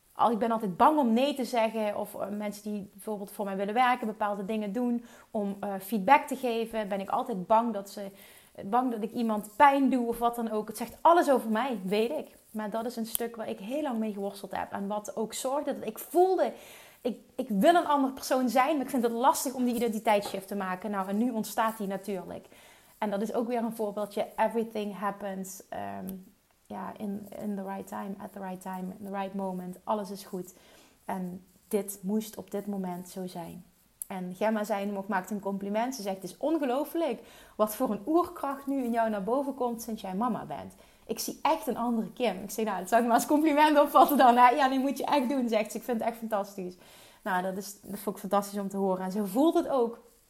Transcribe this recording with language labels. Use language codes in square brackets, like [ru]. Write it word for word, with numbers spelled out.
[nl] Ik ben altijd bang om nee te zeggen of mensen die bijvoorbeeld voor mij willen werken, bepaalde dingen doen, om uh, feedback te geven, ben ik altijd bang dat, ze, bang dat ik iemand pijn doe of wat dan ook. Het zegt alles over mij, weet ik. Maar dat is een stuk waar ik heel lang mee geworsteld heb en wat ook zorgde dat ik voelde, ik, ik wil een andere persoon zijn, maar ik vind het lastig om die identiteitsshift te maken. Nou, en nu ontstaat die natuurlijk. En dat is ook weer een voorbeeldje, [en] everything happens... Um, Ja, in, in the right time, at the right time, in the right moment. [nl] Alles is goed. En dit moest op dit moment zo zijn. En Gemma zei hem ook, maakt een compliment. Ze zegt, het is ongelooflijk wat voor een oerkracht nu in jou naar boven komt sinds jij mama bent. Ik zie echt een andere Kim. Ik zeg, nou, dat zou ik maar als compliment opvatten dan. Hè? Ja, die moet je echt doen, zegt ze. Ik vind het echt fantastisch. Nou, dat, is, dat vond ik fantastisch om te horen. En ze voelt het ook.